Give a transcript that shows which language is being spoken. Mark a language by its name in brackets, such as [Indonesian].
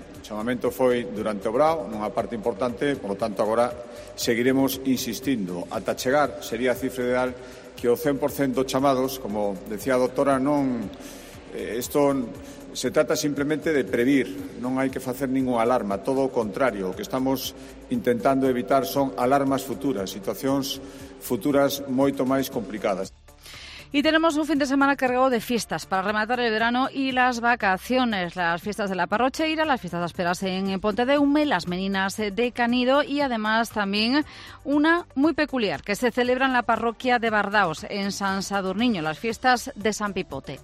[Galician] O chamamento foi durante o brao, nunha parte importante, [Spanish] por lo tanto [Galician] agora seguiremos insistindo. Ata chegar, sería a cifra ideal, que o 100% dos chamados, como decía a doctora, non, esto se trata simplemente de prevenir, non hai que facer ninguna alarma, todo o contrario, o que estamos intentando evitar son alarmas futuras, situacións futuras moito máis complicadas. [Spanish] Y tenemos un fin de semana cargado de fiestas para rematar el verano y las vacaciones. Las fiestas de la Parrocheira, las fiestas de Asperas en Ponte de Hume, las Meninas de Canido y además también una muy peculiar que se celebra en la parroquia de Bardaos, en San Sadurniño, las fiestas de San Pipote.